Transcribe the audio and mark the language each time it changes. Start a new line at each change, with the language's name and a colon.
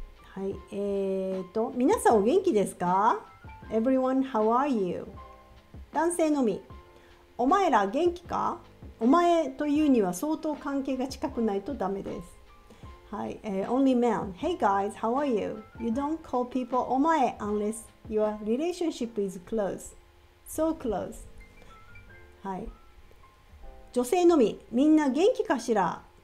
Japanese: はい、皆さんお元気ですか?
English: Everyone, how are you?
Japanese: 男性のみ。お前ら元気か? お前というには相当関係が近くないとダメです。はい、
English: Only men. Hey guys, how are you? You don't call people お前 unless your relationship is close. So close.
Japanese: はい。女性のみ、みんな元気かしら?